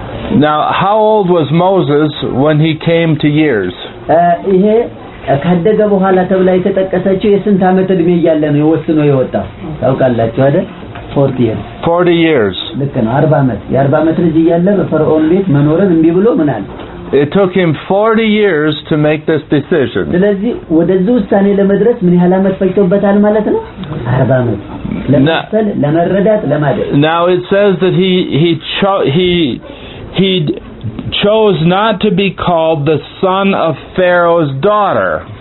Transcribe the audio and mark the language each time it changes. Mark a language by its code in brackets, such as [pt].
[en] Now, how old was Moses when he came to years? [am] ይሄ ከደገ በኋላ ተብላ የተጠቀሰችው የስንት ዓመት እድሜ እያለ ነው የወስኖ የወጣው ታውቃላችሁ አይደል? [en] 40 years. [am] ልክ ነው። 40 ዓመት የአርባ ዓመት ልጅ እያለ በፈርዖን ቤት መኖርን እምቢ ብሎ ምን አለ? [en] It took him 40 years to make this decision. [am] ስለዚህ ወደዚህ ውሳኔ ለመድረስ ምን ያህል ዓመት ፈጅቶበታል ማለት ነው? 40 ዓመት ለመሰል ለመረዳት ለማደግ. [en] Now it says that he chose not to be called the son of Pharaoh's daughter.